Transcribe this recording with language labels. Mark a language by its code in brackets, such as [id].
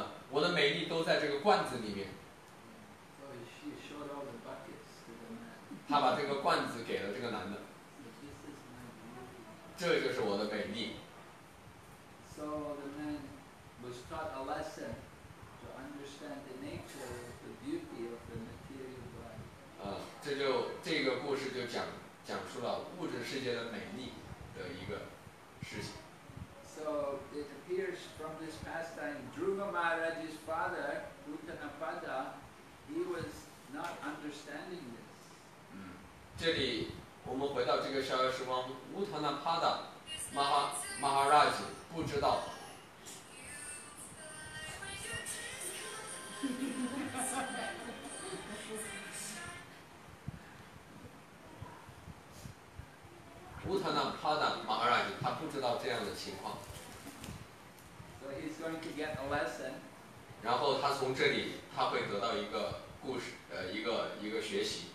[zh] 我的美丽都在这个罐子里面。 [en] So she showed all the buckets to the man. [zh] 他把这个罐子给了这个男的。 [en] This is my beauty. [zh] 这就是我的美丽。 [en] So the man was taught a lesson to understand the nature of the beauty of the material body. [zh] 这个故事就讲述了物质世界的美丽的一个事情。 [en] So it appears from this pastime, Dhruva Maharaj's father, Uttanapada, he was not understanding this. [zh] 这里我们回到这个逍遥时光，乌塔那帕达，Maharaj 不知道。乌塔那帕达Maharaj 他不知道这样的情况。 [en] So he's going to get a lesson. [zh] 然后他从这里他会得到一个故事，一个学习。